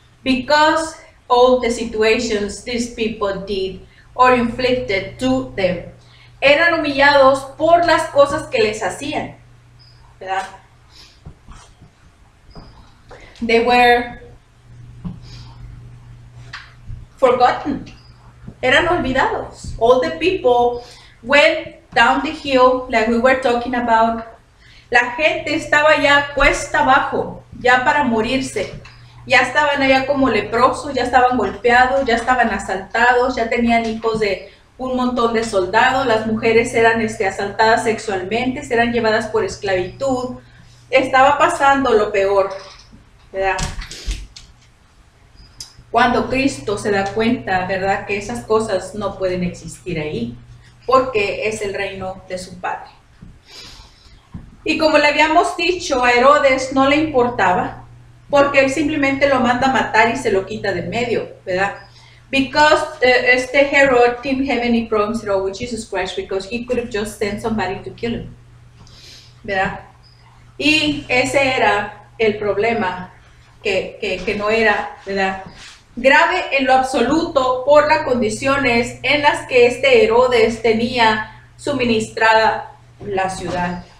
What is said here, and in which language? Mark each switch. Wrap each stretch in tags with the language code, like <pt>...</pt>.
<en>Because all the situations these people did or inflicted to them.</en> <es>Eran humillados por las cosas que les hacían, ¿verdad?</es> <en>They were forgotten.</en> <es>Eran olvidados.</es> <en>All the people went down the hill, like we were talking about.</en> <es>La gente estaba ya cuesta abajo, ya para morirse. Ya estaban allá como leprosos, ya estaban golpeados, ya estaban asaltados, ya tenían hijos de un montón de soldados, las mujeres eran asaltadas sexualmente, eran llevadas por esclavitud. Estaba pasando lo peor, ¿verdad? Cuando Cristo se da cuenta, ¿verdad?, que esas cosas no pueden existir ahí, porque es el reino de su Padre. Y como le habíamos dicho, a Herodes no le importaba, porque él simplemente lo manda a matar y se lo quita de medio, ¿verdad?</es> <en>Because Herod didn't have any problems at all with Jesus Christ, because he could have just sent somebody to kill him.</en> <es>¿Verdad? Y ese era el problema, que no era, ¿verdad?, grave en lo absoluto por las condiciones en las que Herodes tenía suministrada la ciudad.</es>